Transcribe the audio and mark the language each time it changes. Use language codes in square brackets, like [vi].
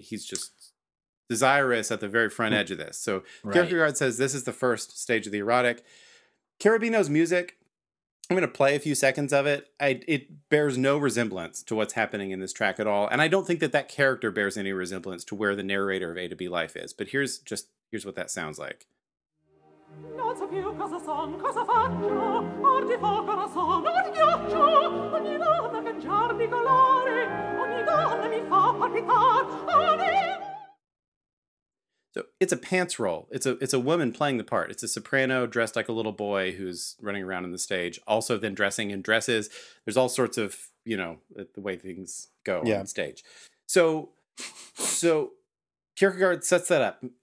[en] He's just desirous at the very front edge of this. So Kierkegaard says this is the first stage of the erotic. Cherubino's music, I'm going to play a few seconds of it. It bears no resemblance to what's happening in this track at all. And I don't think that character bears any resemblance to where the narrator of A to B Life is. But here's what that sounds like. [it] Non so più cosa son, cosa faccio, or di folgore son, or di ghiaccio. Ogni donna che cangiar di colore, ogni donna mi fa palpitare. [en] So it's a pants role. It's a woman playing the part. It's a soprano dressed like a little boy who's running around on the stage, also then dressing in dresses. There's all sorts of, you know, the way things go on stage. So Kierkegaard sets that up.